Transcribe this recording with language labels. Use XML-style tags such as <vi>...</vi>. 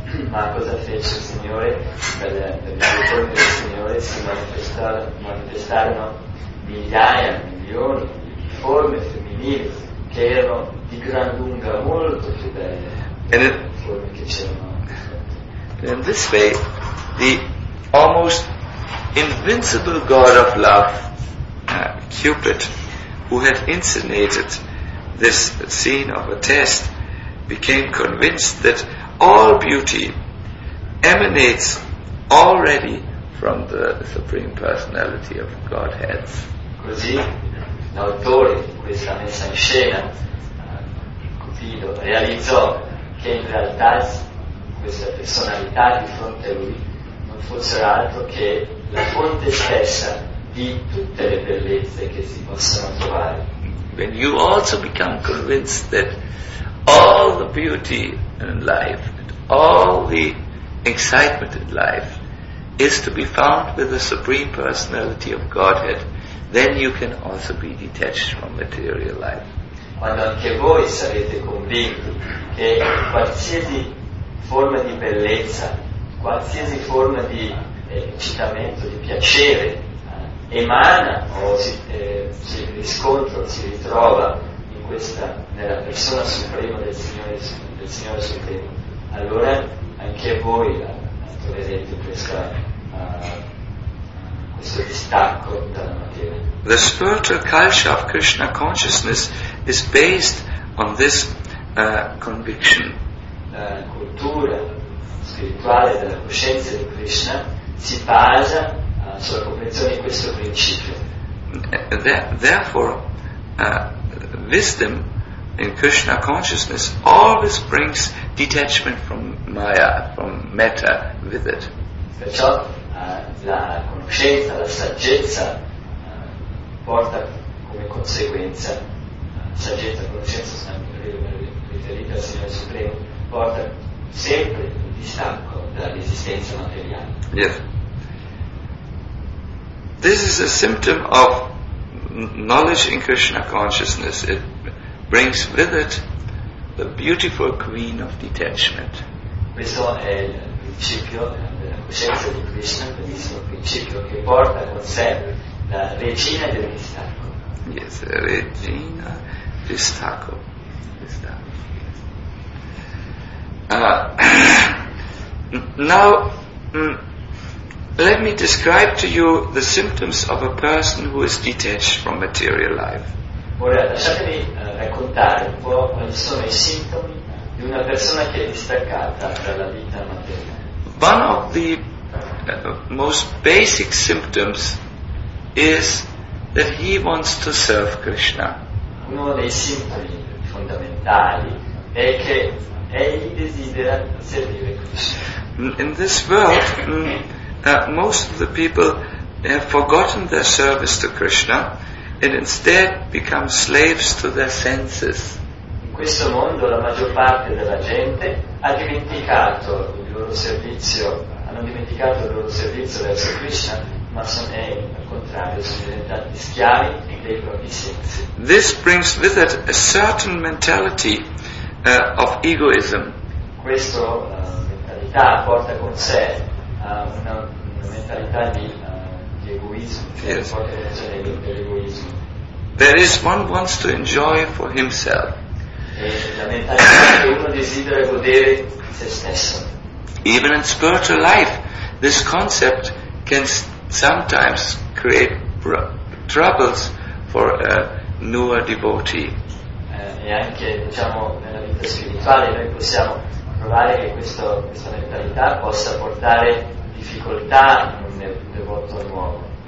<it>Marcos ha fece il Signore, per il ritorno del Signore si manifestarono migliaia, milioni di forme femminili che erano di gran lunga molto più belle forme che c'erano.</it> <en>In this way, the almost invincible God of love, Cupid, who had incinerated this scene of a test, became convinced that all beauty emanates already from the Supreme Personality of Godhead.</en> <it>Così l'autore di questa messa in scena, Cupido, realizzò che in realtà questa personalità di fronte a lui non fosse altro che la fonte stessa di tutte le bellezze che si possono trovare.</it> <en>When you also become convinced that all the beauty in life, all the excitement in life is to be found with the Supreme Personality of Godhead, then you can also be detached from material life.</en> <it>Quando anche voi sarete convinti che qualsiasi forma di bellezza, qualsiasi forma di eccitamento, di piacere, emana o si riscontra, si ritrova in questa, nella persona suprema del Signore Supremo, allora anche voi troverete questo distacco dalla materia.</it> <en>The spiritual culture of Krishna consciousness is based on this conviction.</en> <it>La cultura spirituale della coscienza di Krishna si basa sulla comprensione di questo principio.</it> <en>Therefore, wisdom in Krishna consciousness always brings detachment from Maya, from matter, with it.</en> <it>Perciò la conoscenza, la saggezza porta come conseguenza, saggezza, conoscenza, riferita al Signore Supremo, porta sempre il distacco dall'esistenza materiale.</it> <en>Yes. This is a symptom of knowledge in Krishna consciousness. It brings with it the beautiful queen of detachment.</en> <it>Questo è il principio della coscienza di Krishna, bellissimo principio che porta con sé la regina del distacco. Yes, regina distacco. Distacco.</it> <en>Yes. now, let me describe to you the symptoms of a person who is detached from material life.</en> <it>Ora lasciatemi raccontare un po' quali sono i sintomi di una persona che è distaccata dalla vita materiale.</it> <en>One of the most basic symptoms is that he wants to serve Krishna.</en> <it>Uno dei sintomi fondamentali è che egli desidera servire Krishna.</it> <en>In this world, most of the people have forgotten their service to Krishna and instead become slaves to their senses.</en> <it>In questo mondo la maggior parte della gente ha dimenticato il loro servizio, hanno dimenticato il loro servizio verso Krishna, ma sono al contrario, sono diventati schiavi dei propri sensi.</it> <en>This brings with it a certain mentality of egoism.</en> <it>Questa mentalità porta con sé una mentalità di egoismo, yes. Dell'egoismo.</it> <en>There is one wants to enjoy for himself.</en> <it>La mentalità che uno desidera godere se stesso.</it> <en>Even in spiritual life, this concept can sometimes create troubles for a newer devotee.</en> <it>E anche, diciamo, nella vita spirituale noi possiamo provare che questa mentalità possa portare difficoltà in un devoto nuovo.</it>